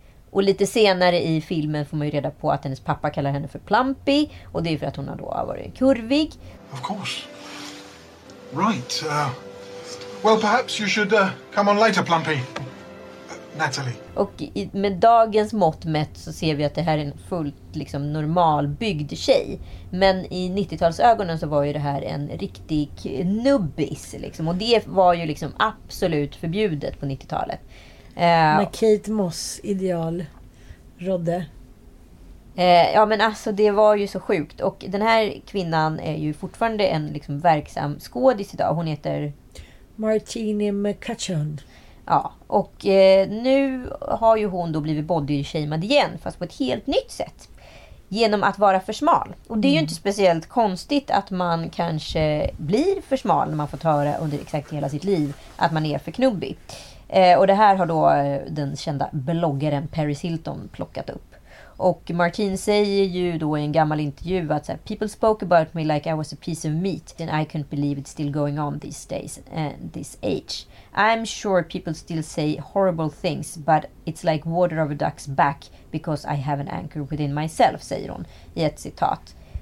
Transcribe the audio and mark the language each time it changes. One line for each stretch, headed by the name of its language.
Swedish: Och lite senare i filmen får man ju reda på att hennes pappa kallar henne för plumpy, och det är för att hon har då varit kurvig.
English: Of course. Right. Well, perhaps you should come on later, plumpy. Natalie.
Swedish: Och med dagens mått mätt så ser vi att det här är en fullt liksom normalbyggd tjej. Men i 90-talsögonen så var ju det här en riktig knubbis. Liksom. Och det var ju liksom absolut förbjudet på 90-talet. Med Kate Moss ideal rådde. Ja, men alltså det var ju så sjukt. Och den här kvinnan är ju fortfarande en liksom verksam skådis idag. Hon heter Martini McCutcheon. Ja, och nu har ju hon då blivit body-shamed igen, fast på ett helt nytt sätt. Genom att vara för smal. Och det är ju inte speciellt konstigt att man kanske blir för smal när man får höra under exakt hela sitt liv att man är för knubbig. Och det här har då den kända bloggaren Paris Hilton plockat upp. Och Martine säger ju då i en gammal intervju att så här,
English: people spoke about me like I was a piece of meat and I couldn't believe it's still going on these days and this age. I'm sure people still say horrible things, but it's like water over a duck's back because I have an anchor within myself,
Swedish: säger hon i ett citat.